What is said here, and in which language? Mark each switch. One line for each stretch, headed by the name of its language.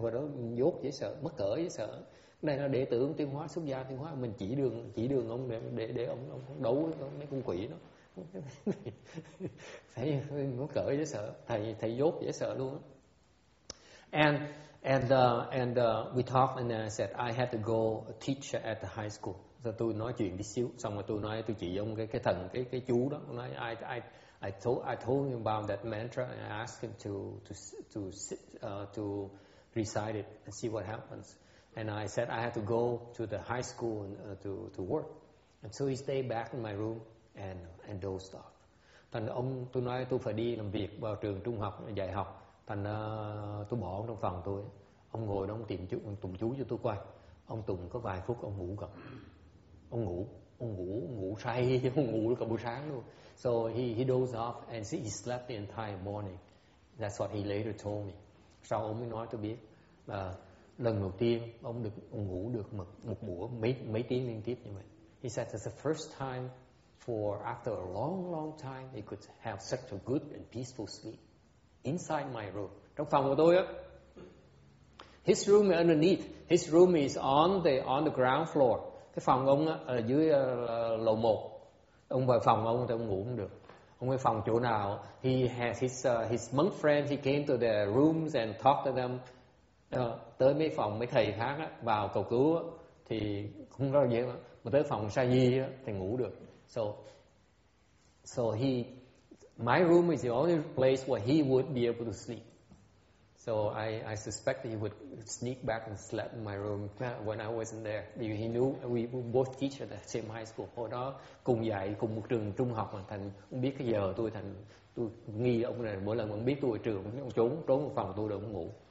Vietnamese: Hồi đó dốt dễ sợ, mất cỡ dễ sợ. Đây là đệ tử ông Tiên Hóa, xuất gia Tiên Hóa, mình chỉ đường ông để ông đấu với mấy con quỷ đó. Thầy mất cỡ dễ sợ, thầy dốt dễ sợ luôn.
English: And we talked and I said I had to go teach at the high school.
Vietnamese: So tôi nói chuyện đi xíu, xong rồi tôi nói tôi chỉ ông cái thần cái chú đó.
English: Nói I told him about that mantra and I asked him to recite it and see what happens. And I said I had to go to the high school to work. And so he stayed back in my room and dozed off.
Vietnamese: Thành ông tôi nói tôi phải đi làm việc vào trường trung học dạy học. Thành tôi bỏ ông trong phòng tôi. Ông ngồi đó ông tìm chú, ông tụng chú cho tôi coi. Ông tụng có vài phút ông ngủ gật. Ông ngủ say, ông ngủ cả buổi sáng luôn.
English: So he dozed off and he slept the entire morning. That's what he later told me.
Vietnamese: Sau ông mới nói tôi biết là lần đầu tiên ông ngủ được một buổi mấy tiếng liên tiếp như vậy.
English: He said it's the first time for after a long long time he could have such a good and peaceful sleep inside my room.
Vietnamese: Trong phòng của tôi á.
English: His room is underneath. His room is on the ground floor.
Vietnamese: Cái phòng ông á ở dưới lầu 1. Ông vào phòng ông thì ông ngủ không được. Ông về phòng chỗ nào,
English: he has his monk friends, he came to their rooms and talked to them.
Vietnamese: Tới mấy phòng mấy thầy khác á, vào cầu cứu á, thì không có gì mà. Mà tới phòng sa di á, thì ngủ được.
English: So my room is the only place where he would be able to sleep. So I suspect that he would sneak back and sleep in my room when I wasn't there. Because he knew we both teach at the same high school.
Vietnamese: Hồi đó cùng dạy cùng một trường trung học mà thành không biết cái giờ tôi thành tôi nghi ông này mỗi lần ông biết tôi ở trường ông trốn một phòng tôi đâu cũng ngủ.